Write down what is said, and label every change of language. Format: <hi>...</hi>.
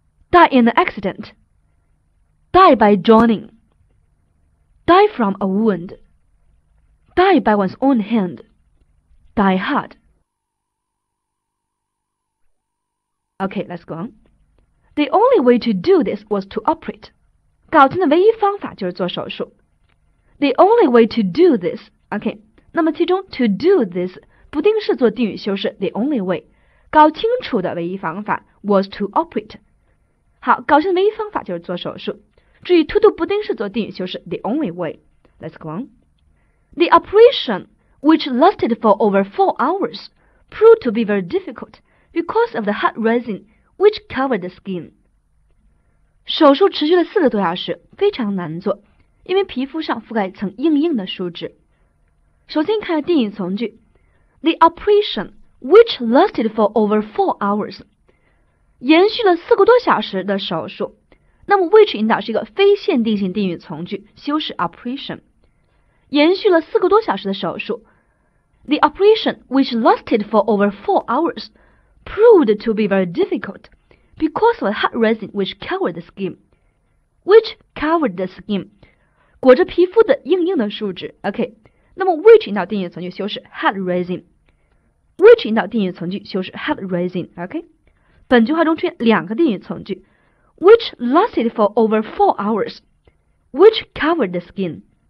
<en>Die in an accident. Die by drowning. Die from a wound. Die by one's own hand. Die hard. Okay, let's go on. The only way to do this was to operate.</en> <zh>搞定的唯一方法就是做手术。</zh> <en>The only way to do this.</en> <zh>Okay, 那么其中 to do this 不定式做定语修饰</zh> <en>the only way.</en> <zh>搞清楚的唯一方法</zh> <en>was to operate.</en> <zh>好，搞清的唯一方法就是做手术。注意 to do 不定式做定语修饰 the only way.</zh> <en>Let's go on. The operation, which lasted for over 4 hours, proved to be very difficult. Because of the hot resin, which covered the skin.</en> <zh>手术持续了四个多小时，非常难做，因为皮肤上覆盖一层硬硬的树脂。首先看定语从句</zh> <en>，The operation, which lasted for over 4 hours,</en> <zh>延续了四个多小时的手术。那么 which 引导是一个非限定性定语从句，修饰 operation， 延续了四个多小时的手术。</zh> <en>The operation, which lasted for over 4 hours. Proved to be very difficult because of the hot resin which covered the skin. Which covered the skin?</en> <zh>裹着皮肤的硬硬的树脂。OK, 那么 which 引导定语从句修饰 hot resin. Which 引导定语从句修饰 hot resin. OK, 本句话中出现两个定语从句</zh> <en>which lasted for over 4 hours, which covered the skin.</en>